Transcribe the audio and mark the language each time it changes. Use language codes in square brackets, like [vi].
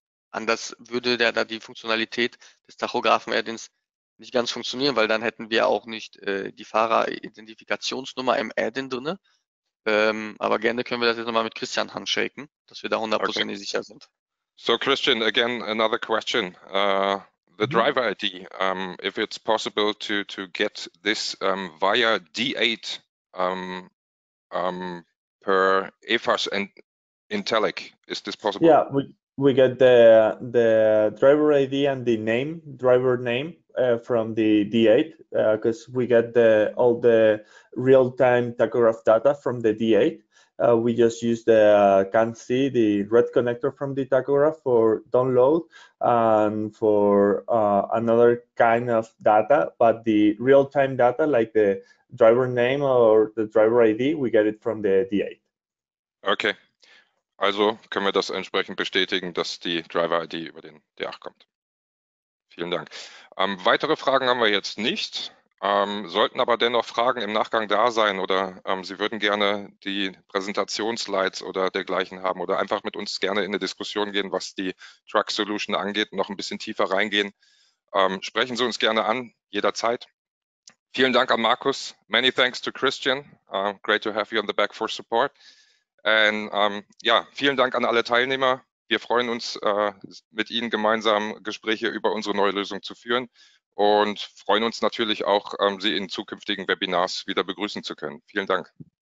[de] Anders würde der da die Funktionalität des Tachografen-Add-ins nicht ganz funktionieren, weil dann hätten wir auch nicht die Fahrer-Identifikationsnummer im Add-in drin. Aber gerne können wir das jetzt nochmal mit Christian handshaken, dass wir da Okay. hundertprozentig sicher sind. [en] So Christian, again another question. The driver ID, if it's possible to get this via D8 per EFAS and Intellic, is this possible? Yeah, we get the driver ID and the driver name from the D8 because we get all the real-time tachograph data from the D8. We just use the CAN C, the red connector from the tachograph for download and for another kind of data. But the real-time data, like the driver name or the driver ID, we get it from the D8. [de] Okay, also können wir das entsprechend bestätigen, dass die Driver-ID über den D8 kommt. Vielen Dank. Weitere Fragen haben wir jetzt nicht, sollten aber dennoch Fragen im Nachgang da sein oder Sie würden gerne die Präsentationsslides oder dergleichen haben oder einfach mit uns gerne in eine Diskussion gehen, was die Truck Solution angeht, noch ein bisschen tiefer reingehen. Sprechen Sie uns gerne an, jederzeit. Vielen Dank an Markus. [en] Many thanks to Christian. Great to have you on the back for support. [de] Ja, vielen Dank an alle Teilnehmer. Wir freuen uns, mit Ihnen gemeinsam Gespräche über unsere neue Lösung zu führen und freuen uns natürlich auch, Sie in zukünftigen Webinars wieder begrüßen zu können. Vielen Dank.